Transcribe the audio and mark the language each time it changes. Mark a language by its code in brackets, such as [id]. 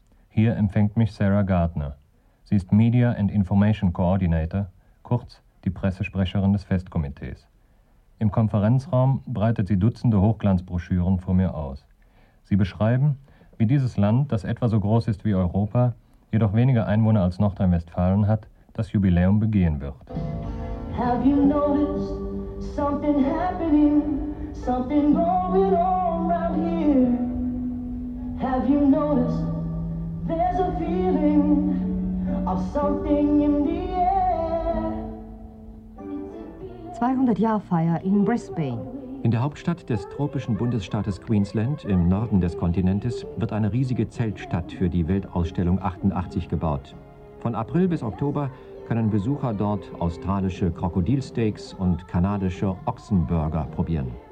[de] Hier empfängt mich Sarah Gardner. Sie ist Media and Information Coordinator, kurz die Pressesprecherin des Festkomitees. Im Konferenzraum breitet sie Dutzende Hochglanzbroschüren vor mir aus. Sie beschreiben, wie dieses Land, das etwa so groß ist wie Europa, jedoch weniger Einwohner als Nordrhein-Westfalen hat, das Jubiläum begehen wird. [en] Have you noticed something happening, something going on right here? Have you noticed there's a feeling of something in the air? [de] 200-Jahr-Feier in Brisbane. In der Hauptstadt des tropischen Bundesstaates Queensland, im Norden des Kontinentes, wird eine riesige Zeltstadt für die Weltausstellung 88 gebaut. Von April bis Oktober können Besucher dort australische Krokodilsteaks und kanadische Ochsenburger probieren.